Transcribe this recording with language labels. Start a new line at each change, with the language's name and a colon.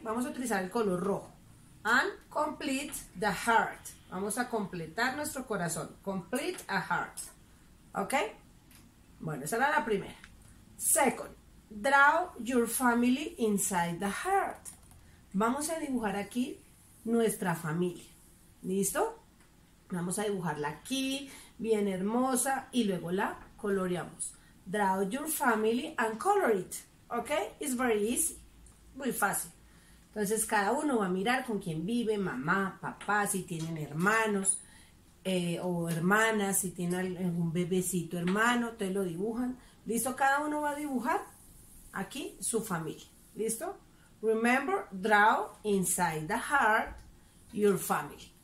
Spanish: Vamos a utilizar el color rojo.
English: And complete the heart.
Spanish: Vamos a completar nuestro corazón.
English: Complete a heart. Okay.
Spanish: Bueno, esa era la primera.
English: Second. Draw your family inside the heart.
Spanish: Vamos a dibujar aquí nuestra familia. ¿Listo? Vamos a dibujarla aquí, bien hermosa, y luego la coloreamos.
English: Draw your family and color it. ¿Ok? It's very easy.
Spanish: Muy fácil. Entonces, cada uno va a mirar con quién vive, mamá, papá, si tienen hermanos o hermanas, si tienen algún bebecito hermano, ustedes lo dibujan. ¿Listo? Cada uno va a dibujar aquí su familia. ¿Listo?
English: Remember, draw inside the heart your family.